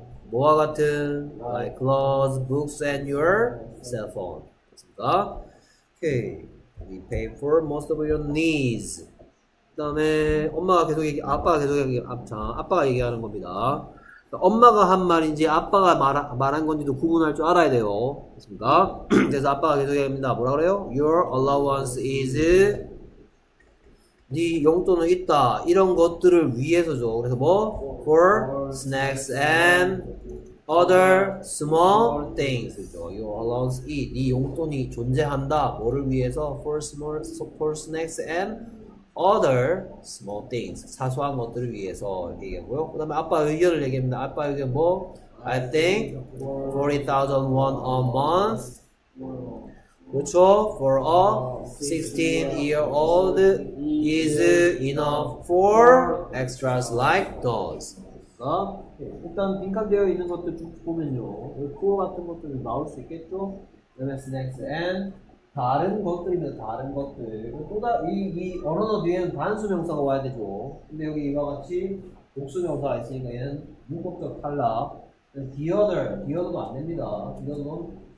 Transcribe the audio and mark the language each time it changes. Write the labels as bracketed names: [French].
[Korean] 뭐와 같은 [English] like clothes, books, and your cell phone. [Korean] 됐습니까? [English] Okay, we pay for most of your needs. [Korean] 그다음에 엄마가 계속 얘기, 아빠가 계속 얘기, 아빠가 얘기하는 겁니다. 엄마가 한 말인지 아빠가 말한 건지도 구분할 줄 알아야 돼요. 됐습니까? 그래서 아빠가 계속 얘기합니다. 뭐라 그래요? [English] Your allowance is [Korean] 네 용돈은 있다. 이런 것들을 위해서죠. 그래서 뭐? [English] For snacks and other small things. Your allowance is [Korean] 네 용돈이 존재한다. 뭐를 위해서? [English] For snacks and other small things. [Korean] 사소한 것들을 위해서 얘기하고요. 그 다음에 아빠 의견을 얘기합니다. 아빠 의견 뭐? [English] I think 40,000 won a month. [Korean] 그렇죠? [English] For a 16-year-old is enough for extras like those. 어? [Korean] 일단 빈칸되어 있는 것들 쭉 보면요. 그거 같은 것들이 나올 수 있겠죠? MS Next and 다른 것들입니다. 다른 것들. 또 다, 이 언어 뒤에는 단수명사가 와야 되죠. 근데 여기 이와 같이 복수명사가 있으니까 얘는 문법적 탈락. The other도 안 됩니다. The other는